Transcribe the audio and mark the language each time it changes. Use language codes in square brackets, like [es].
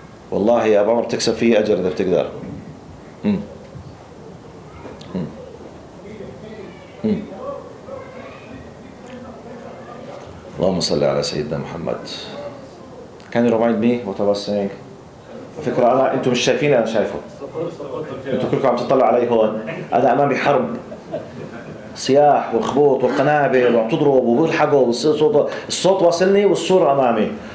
[ar] والله يا أبو عمر بتكسب فيه أجر إذا بتقدر اللهم صل على سيدنا محمد. [en] Can you remind me what I was saying؟ [ar] فكرة أنا أنتم مش شايفين أنا شايفه. أنتم كلكم عم تطلعوا علي هون. أنا أمامي حرب. صياح وخبوط والقنابل وعم تضرب وبيلحقوا والصوت الصوت واصلني والصورة أمامي.